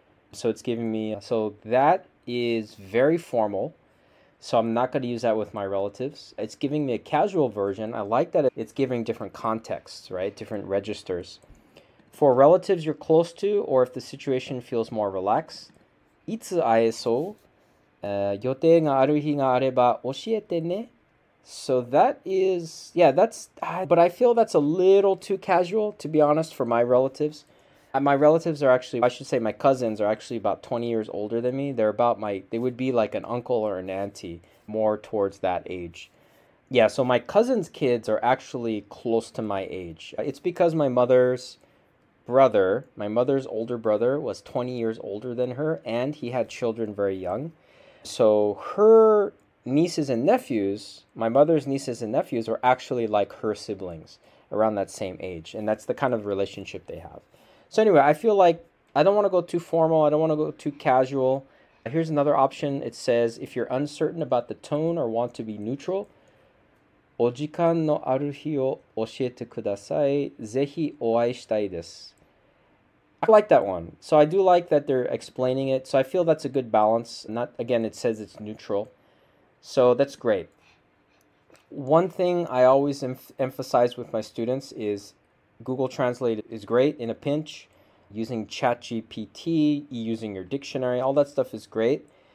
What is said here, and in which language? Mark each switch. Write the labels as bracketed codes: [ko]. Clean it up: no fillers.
[en] So it's giving me, so that is very formal. So I'm not going to use that with my relatives. It's giving me a casual version. I like that it's giving different contexts, right? Different registers. For relatives you're close to, or if the situation feels more relaxed, [ja] いつ会えそう? 予定がある日があれば教えてね。 [en] So that is, yeah, that's, but I feel that's a little too casual, to be honest, for my relatives. And my relatives are actually, I should say, my cousins are actually about 20 years older than me. They're about my, they would be like an uncle or an auntie, more towards that age. Yeah, so my cousin's kids are actually close to my age. It's because my mother's brother, my mother's older brother, was 20 years older than her, and he had children very young. So her nieces and nephews, my mother's nieces and nephews, are actually like her siblings around that same age. And that's the kind of relationship they have. So anyway, I feel like I don't want to go too formal. I don't want to go too casual. Here's another option. It says, if you're uncertain about the tone or want to be neutral, [ja] お時間のある日を教えてください。ぜひお会いしたいです。 [en] I like that one. So I do like that they're explaining it. So I feel that's a good balance. Not, again, it says it's neutral. So that's great. One thing I always emphasize with my students is Google Translate is great in a pinch. Using ChatGPT, using your dictionary, all that stuff is great.